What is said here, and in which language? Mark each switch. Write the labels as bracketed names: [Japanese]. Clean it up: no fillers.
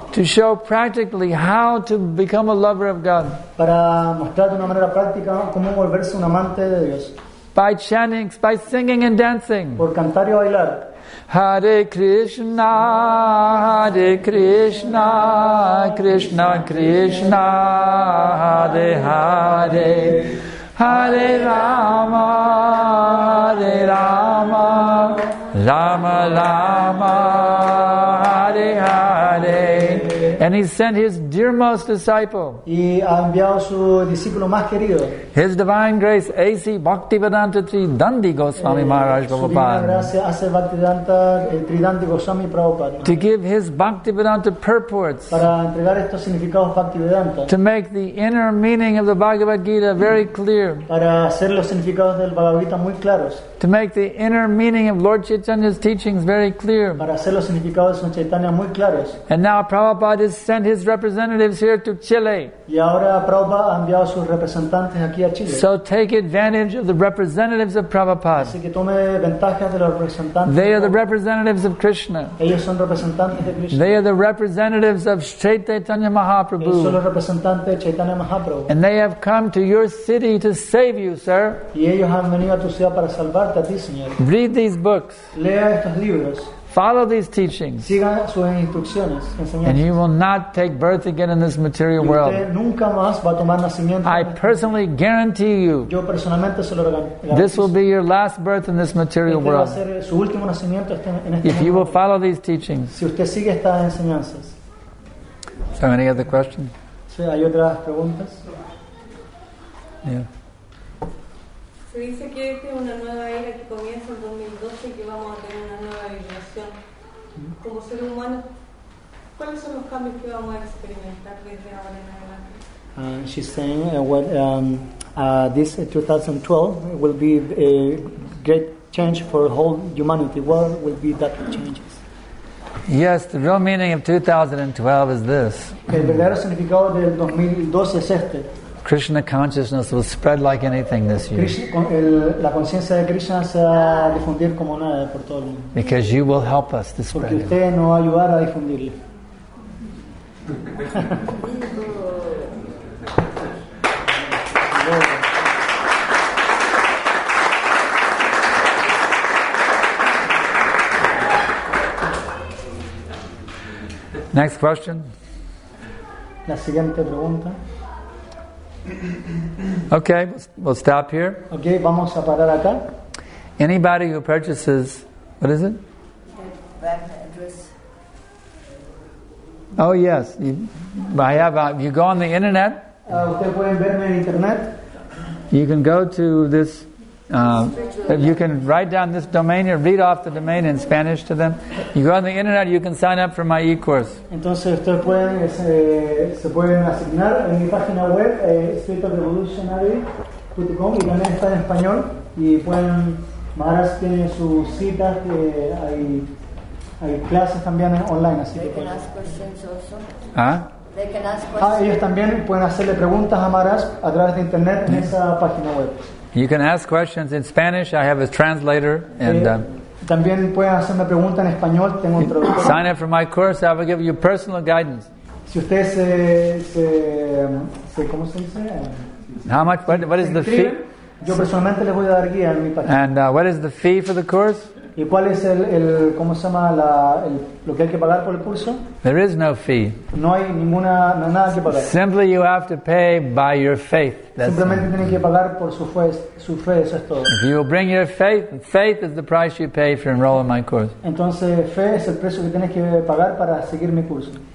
[English] To show practically how to become a lover of God. [Spanish] Para mostrar de una manera práctica cómo volverse un amante de Dios. [English] By chanting, by singing and dancing. [Spanish] Por cantar y bailar. [Sanskrit] Hare Krishna, Hare Krishna, Krishna Krishna, Hare Hare. Hare Rama, Hare Rama, Rama Rama, Hare Hare. [English] And he sent his dearmost disciple. [Spanish] Y ha enviado su discípulo más querido. [English] His divine grace, A.C. Bhaktivedanta Tridandi Goswami Maharaj Prabhupada. To give his Bhaktivedanta purports. [Spanish] Para entregar estos significados Bhaktivedanta. [English] To make the inner meaning of the Bhagavad Gita very clear. [Spanish] Para hacer los significados del Bhagavad Gita muy claros. [English] To make the inner meaning of Lord Chaitanya's teachings very clear. [Spanish] Para hacer los significados de Chaitanya muy claros. [English] And now Prabhupada has sent his representatives here to Chile. [Spanish] Y ahora Prabhupada ha enviado sus representantes aquí a Chile. [English] So take advantage of the representatives of Prabhupada. [Spanish] Así que tome ventaja de los representantes. [English] They are the representatives of Krishna. [Spanish] Ellos son representantes de Krishna. [English] They are the representatives of Sri Chaitanya Mahaprabhu. [Spanish] Ellos son los representantes de Chaitanya Mahaprabhu. [English] And they have come to your city to save you, sir. [Spanish] Y ellos han venido a tu ciudad para salvarte a ti, señor. [English] Read these books. [Spanish] Lea estos libros. [English] Follow these teachings. [Spanish] Siga sus instrucciones, enseñanzas. [English] And you will not take birth again in this material world. [Spanish] Nunca más va a tomar nacimiento. [English] I personally guarantee you. [Spanish] Yo personalmente se lo garantizo. [English] This will be your last birth in this material world. [Spanish] Este va a ser su último nacimiento en este mundo. [English] If you will follow these teachings. [Spanish] Si usted sigue estas enseñanzas. [English] So, any other questions? [Spanish] Sí, hay otras preguntas. [English] Yeah. [Spanish] Se dice que esta es una nueva era que comienza en 2012 y que vamos a tener una nueva vibración. Como seres humanos, ¿cuáles son los cambios que vamos a experimentar desde ahora en adelante? [English] She's saying this 2012 will be a great change for whole humanity. What will be that changes? Yes, the real meaning of 2012 is this. [Spanish] El verdadero significado del 2012 es este. [English] Krishna consciousness will spread like anything this year. [Spanish] La conciencia de Krishna se va a difundir como nada por todo el mundo. [English] Because you will help us to spread. [Spanish] Porque usted nos va a ayudar a difundirle. [English] Next question. [Spanish] La siguiente pregunta. [English] Okay, we'll stop here. [Spanish] Okay, vamos a parar acá. [English] Anybody who purchases, what is it? Oh yes, you go on the internet. [Spanish] Ustedes pueden verme en internet. [English] You can go to this. You can write down this domain or read off the domain in Spanish to them. You go on the internet, you can sign up for my e-course. [Spanish] Entonces ustedes pueden se pueden asignar en mi página web spiritualrevolutionary.com y también está en español y pueden Maras tiene sus citas que hay clases también online, así que ellos también pueden hacerle preguntas a Maras a través de internet en esa página web. [English] You can ask questions in Spanish. I have a translator. And [Spanish] también pueden hacerme preguntas en español. Tengo un traductor. [English] Sign up for my course. I will give you personal guidance. [Spanish] Si usted ¿cómo se dice? [English] How much? What is the fee? [Spanish] Yo personalmente les voy a dar guía en mi página. [English] And what is the fee for the course? [Spanish] ¿Y cuál es el cómo se llama lo que hay que pagar por el curso? [English] There is no fee. [Spanish] No hay ninguna nada que pagar. [English] Simply you have to pay by your faith. [Spanish] Simplemente tienen que pagar por su fe, eso es todo. [English] If you bring your faith is the price you pay for enrolling my course. [Spanish] Entonces fe es el precio que tienes que pagar para seguir mi curso.